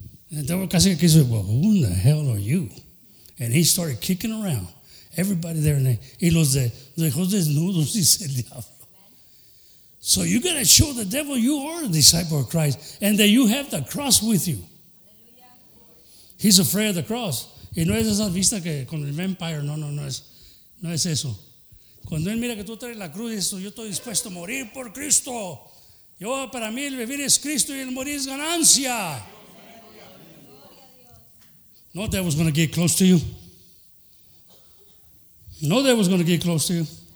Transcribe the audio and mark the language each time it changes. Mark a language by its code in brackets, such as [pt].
[en] And the devil [es] casi que [en] said, well, who in the hell are you? And he started kicking around. Everybody there, and he [es] los dejó desnudos, dice el diablo. [en] So you got to show the devil you are a disciple of Christ and that you have the cross with you. He's afraid of the cross. [es] Y no es esa vista que con el vampire, no es eso. Cuando él mira que tú traes la cruz, dice, yo estoy dispuesto a morir por Cristo. Yo, para mí, el vivir es Cristo y el morir es ganancia. [en] No devil's going to get close to you. No devil's going to get close to you.